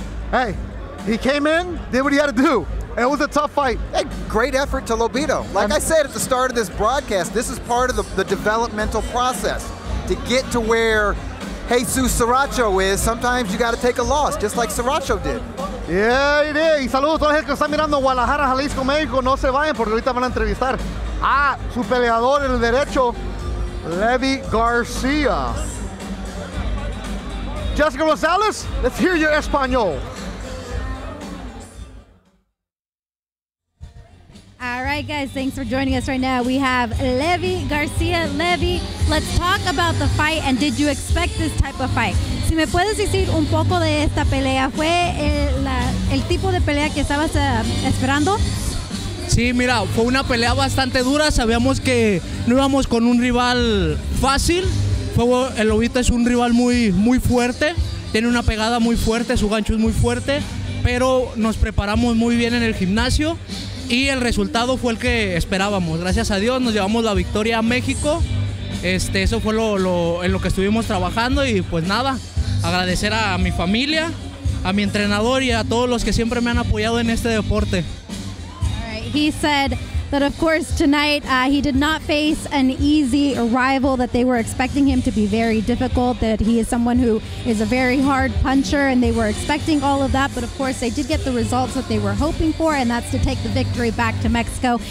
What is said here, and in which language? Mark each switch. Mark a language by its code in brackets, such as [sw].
[en] Hey, he came in, did what he had to do. And it was a tough fight. Hey, great effort to Lobito. Like I said at the start of this broadcast, this is part of the developmental process. To get to where Jesus Saracho is, sometimes you got to take a loss, just like Saracho did. Yeah, it is. [es] Y saludos a todos los que están mirando Guadalajara, Jalisco, México. No se vayan porque ahorita van a entrevistar a su peleador en el derecho, Levy Garcia. [en] Jessica Rosales, let's hear your Espanol. All right, guys, thanks for joining us right now. We have Levy Garcia. Levy, let's talk about the fight, and did you expect this type of fight? [es] Si me puedes decir un poco de esta pelea, ¿fue el tipo de pelea que estabas esperando? Sí, mira, fue una pelea bastante dura. Sabíamos que no íbamos con un rival fácil. El Lobito es un rival muy, muy fuerte. Tiene una pegada muy fuerte, su gancho es muy fuerte, pero nos preparamos muy bien en el gimnasio. Y el resultado fue el que esperábamos. Gracias a Dios nos llevamos la victoria a México. Eso fue lo en lo que estuvimos trabajando. Y pues nada, agradecer a mi familia, a mi entrenador y a todos los que siempre me han apoyado en este deporte. [en] All right. He said that of course tonight he did not face an easy rival, that they were expecting him to be very difficult, that he is someone who is a very hard puncher, and they were expecting all of that, but of course they did get the results that they were hoping for, and that's to take the victory back to Mexico.